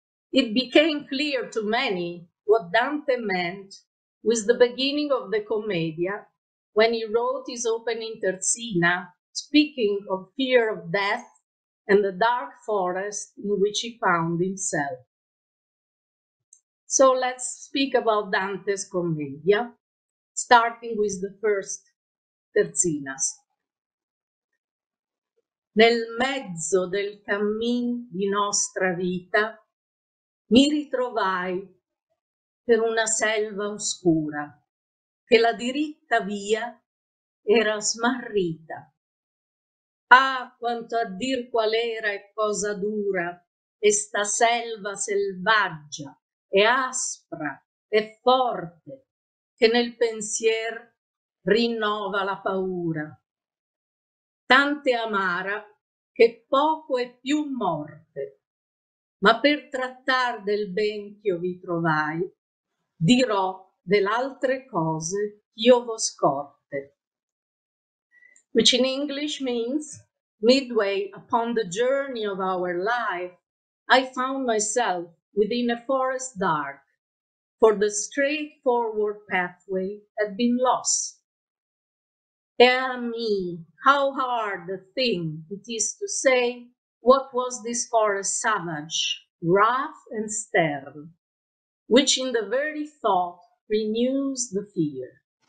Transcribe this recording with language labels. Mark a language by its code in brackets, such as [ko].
[en] it became clear to many what Dante meant with the beginning of the Commedia, when he wrote his opening Terzina, speaking of fear of death and the dark forest in which he found himself. So let's speak about Dante's Commedia, starting with the first Terzinas. [it] Nel mezzo del cammin di nostra vita mi ritrovai per una selva oscura che la diritta via era smarrita. Ah, quanto a dir qual era e cosa dura questa selva selvaggia e aspra e forte che nel pensier rinnova la paura. Tante amara che poco è più morte, ma per trattar del ben che io vi trovai, dirò dell'altre cose ch'io vo scorte. [en] Which in English means, midway upon the journey of our life, I found myself within a forest dark, for the straightforward pathway had been lost. Ah me, how hard a thing it is to say what was this forest savage, rough and stern, which in the very thought renews the fear.